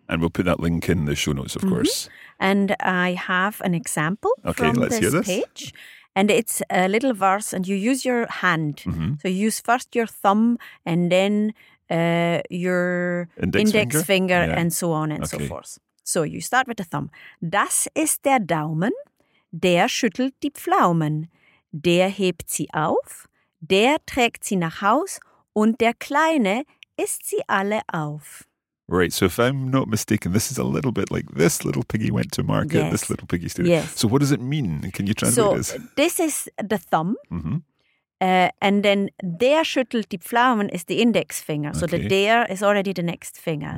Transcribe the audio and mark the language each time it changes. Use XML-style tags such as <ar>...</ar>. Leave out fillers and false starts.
<en>And we'll put that link in the show notes, of course. And I have an example from this page. And it's a little verse, and you use your hand. Mm-hmm. So you use first your thumb and then your index finger yeah, and so on and okay, so forth. So you start with the thumb.</en> <de>Das ist der Daumen, der schüttelt die Pflaumen. Der hebt sie auf, der trägt sie nach Haus und der Kleine isst sie alle auf.</de> <en>Right, so if I'm not mistaken, this is a little bit like this little piggy went to market, yes, this little piggy stayed. Yes. So what does it mean? Can you translate this? So this is the thumb, mm-hmm, and then</en> <de>der schüttelt die Pflaumen</de> <en>is the index finger. Okay. So the der is already the next finger.</en>